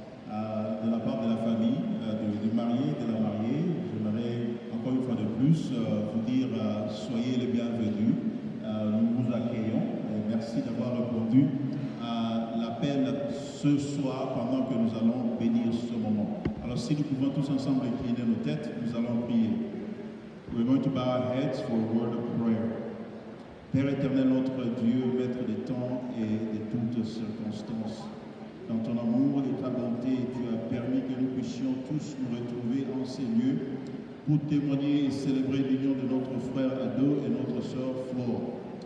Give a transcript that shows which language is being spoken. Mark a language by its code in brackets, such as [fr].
[fr] De la part de la famille, du marié et de la mariée, j'aimerais encore une fois de plus vous dire soyez les bienvenus. Nous vous accueillons et merci d'avoir répondu à l'appel ce soir pendant que nous allons bénir ce moment. Alors si nous pouvons tous ensemble incliner nos têtes, nous allons prier. [en] We're going to bow our heads for a word of prayer. [fr] Père éternel, notre Dieu, maître des temps et de toutes circonstances, dans ton amour et ta bonté, tu as permis que nous puissions tous nous retrouver en ces lieux pour témoigner et célébrer l'union de notre frère Ado et notre sœur Flore.